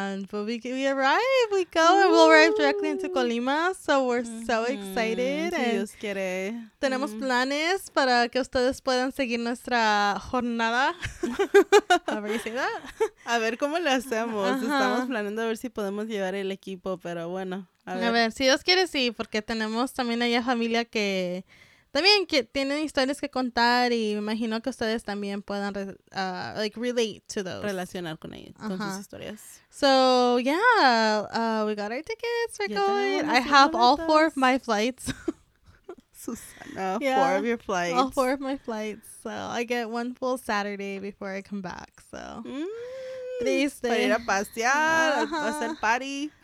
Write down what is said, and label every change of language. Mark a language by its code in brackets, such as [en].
[en] But we arrive, we go, ooh, and we'll arrive directly into Colima. So we're so excited. [es] Si Dios quiere. Tenemos planes para que ustedes puedan seguir nuestra jornada. ¿Cómo se dice? A ver cómo lo hacemos. Uh-huh. Estamos planeando a ver si podemos llevar el equipo, pero bueno. A ver, si Dios quiere, sí, porque tenemos también allá familia que también que tienen historias que contar y me imagino que ustedes también puedan [en] relate to those. [es] Relacionar con ellos, uh-huh, con sus historias. [en] So, yeah, we got our tickets, we're going. I have all 4 of my flights. Susana, yeah, 4 of your flights. All 4 of my flights. So, I get 1 full Saturday before I come back, so. [es] Triste. Para ir a pasear, uh-huh, hacer party.